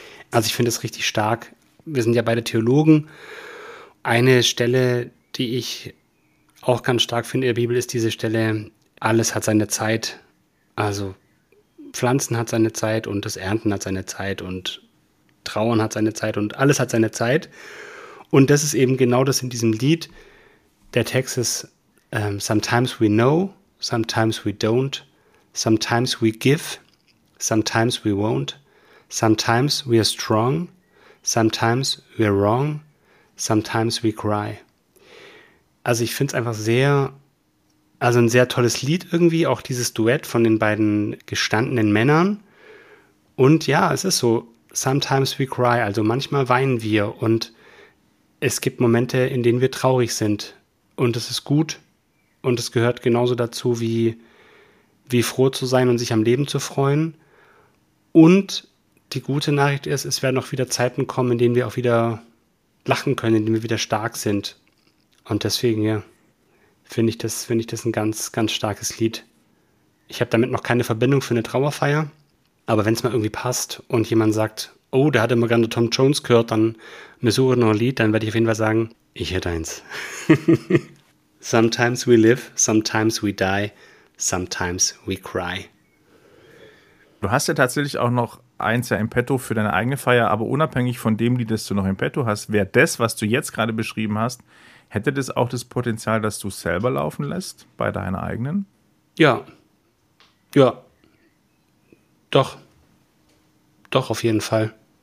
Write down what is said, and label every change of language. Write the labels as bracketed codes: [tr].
[de] Also ich finde es richtig stark. Wir sind ja beide Theologen. Eine Stelle, die ich auch ganz stark finde in der Bibel, ist diese Stelle, alles hat seine Zeit, also Pflanzen hat seine Zeit und das Ernten hat seine Zeit und Trauern hat seine Zeit und alles hat seine Zeit. Und das ist eben genau das in diesem Lied. Der Text ist, [en] sometimes we know, sometimes we don't, sometimes we give, sometimes we won't, sometimes we are strong, sometimes we are wrong, sometimes we cry. [de] Also ich finde es einfach sehr, also ein sehr tolles Lied irgendwie, auch dieses Duett von den beiden gestandenen Männern. Und ja, es ist so, [en] sometimes we cry, [de] also manchmal weinen wir und es gibt Momente, in denen wir traurig sind und es ist gut und es gehört genauso dazu, wie froh zu sein und sich am Leben zu freuen. Und die gute Nachricht ist, es werden auch wieder Zeiten kommen, in denen wir auch wieder lachen können, indem wir wieder stark sind. Und deswegen, ja, finde ich das ein ganz, ganz starkes Lied. Ich habe damit noch keine Verbindung für eine Trauerfeier, aber wenn es mal irgendwie passt und jemand sagt, oh, der hat immer gerne Tom Jones gehört, dann mir suche noch ein Lied, dann werde ich auf jeden Fall sagen, Ich hätte eins. [en] Sometimes we live, sometimes we die, sometimes we cry. [de] Du hast ja tatsächlich auch noch eins ja im Petto für deine eigene Feier, aber unabhängig von dem Lied, das du noch im Petto hast, wäre das, was du jetzt gerade beschrieben hast, hätte das auch das Potenzial, dass du es selber laufen lässt bei deiner eigenen? Ja. Ja. Doch. Doch, auf jeden Fall.